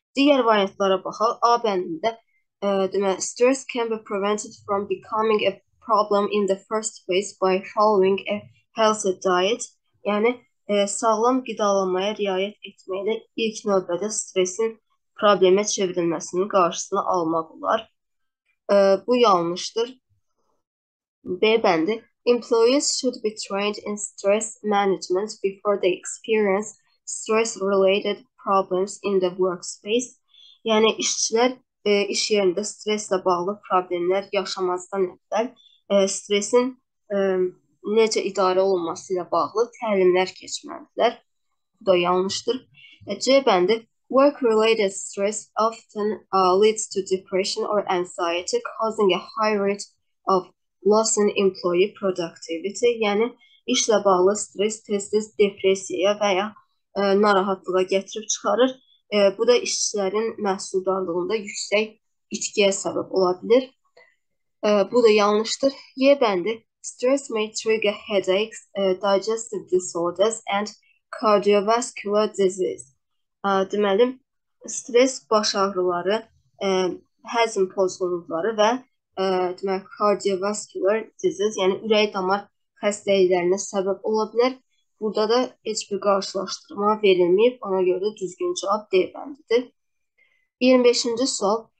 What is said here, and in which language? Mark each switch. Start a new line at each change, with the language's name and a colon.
Azerbaijani: Digər variantlara baxaq. A bəndində deməli,
English: stress can be prevented from becoming a problem in the first place by following a healthy diet.
Azerbaijani: Yəni sağlam qidalanmaya riayət etməklə ilk növbədə stresin probleme çevrilməsinin qarşısını almaq olar. Bu yanlışdır. B bəndi.
English: Employees should be trained in stress management before they experience stress-related problems in the workspace.
Azerbaijani: Yəni işçilər iş yerində streslə bağlı problemlər yaşamazdan əvvəl stresin necə idarə olunması ilə bağlı təlimlər keçməlidirlər. Bu da yanlışdır. C bəndi.
English: Work-related stress often leads to depression or anxiety, causing a high rate of loss in employee productivity.
Azerbaijani: Yəni, işlə bağlı stres tez-tez depressiyaya və ya narahatlığa gətirib çıxarır. Bu da işçilərin məhsuldarlığında yüksək itkiyə səbəb ola bilir. Bu da yanlışdır. Y bəndi.
English: Stress may trigger headaches, digestive disorders and cardiovascular disease.
Azerbaijani: Deməli, stres baş ağrıları, həzm pozğunluqları və deməli, cardiovascular disease, yəni ürək damar xəstəliklərinə səbəb ola bilər. Burada da heç bir qarşılaşdırma verilməyib, ona görə də düzgün cavab D bəndidir. 25-ci sual.